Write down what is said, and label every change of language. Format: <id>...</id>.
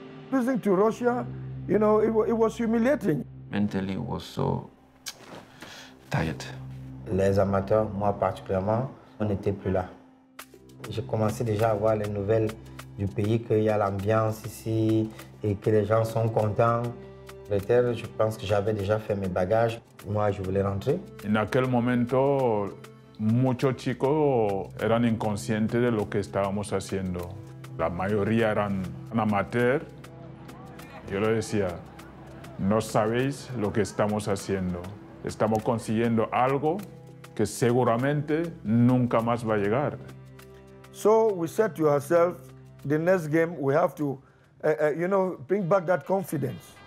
<en>Losing to Russia, you know, it was humiliating. Mentally, it was so tired.</en> <fr>Les amateurs, moi particulièrement, on n'était plus là. J'ai commencé déjà à voir les nouvelles du pays, qu'il y a l'ambiance ici et que les gens sont contents. Peut-être, je pense que j'avais déjà fait mes bagages. Moi, je voulais rentrer.</fr> <es>En aquel momento, muchos chicos eran inconscientes de lo que estábamos haciendo. La mayoría eran amateurs. Yo le decía, no sabéis lo que estamos haciendo. Estamos consiguiendo algo que seguramente nunca más va a llegar.</es> <en>So we said to ourselves, the next game we have to, you know, bring back that confidence.</en>